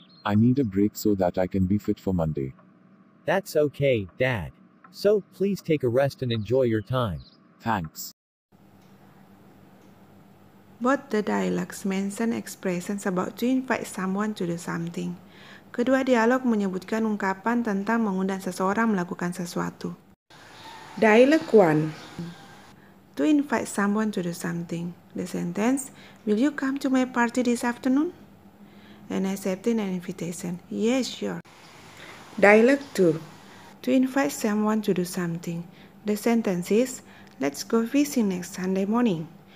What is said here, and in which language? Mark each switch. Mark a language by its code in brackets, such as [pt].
[en] I need a break so that I can be fit for Monday. That's okay, Dad. So, please take a rest and enjoy your time. Thanks. Both the dialogues mention expressions about to invite someone to do something. [id] Kedua dialog menyebutkan ungkapan tentang mengundang seseorang melakukan sesuatu. [en] Dialogue 1. To invite someone to do something. The sentence, will you come to my party this afternoon? And accepting an invitation. Yes, sure. Dialogue 2. To invite someone to do something. The sentence is, let's go fishing next Sunday morning.